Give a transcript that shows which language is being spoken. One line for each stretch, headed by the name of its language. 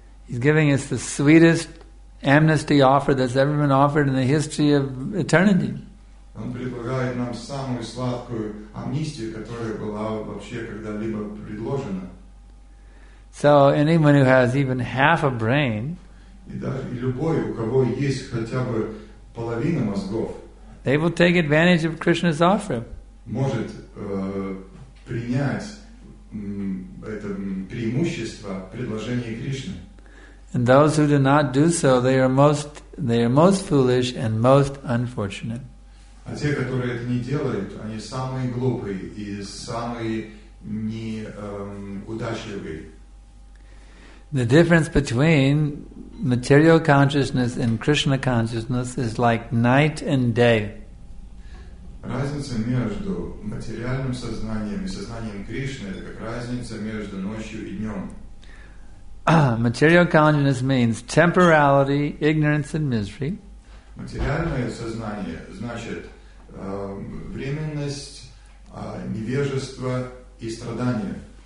English: He's giving us the sweetest amnesty offer that's ever been offered in the history of eternity.
Russian: Он предлагает нам самую сладкую амнистию, которая была вообще когда-либо предложена.
English: So anyone who has even half a brain,
Russian: и даже любой, у кого есть хотя бы половина мозгов,
English: they will take advantage of Krishna's offer.
Russian: Может принять это преимущество предложения Кришны.
English: And those who do not do so, they are most foolish and most unfortunate.
Russian: А те, которые это не делают, они самые глупые и самые не удачливые.
English: The difference between material consciousness and Krishna consciousness is like night and day.
Russian: Разница между материальным сознанием и сознанием Кришны — это как разница между ночью и днем.
English: Material consciousness means temporality, ignorance, and misery.
Russian: Материальное сознание значит временность, невежество и страдания.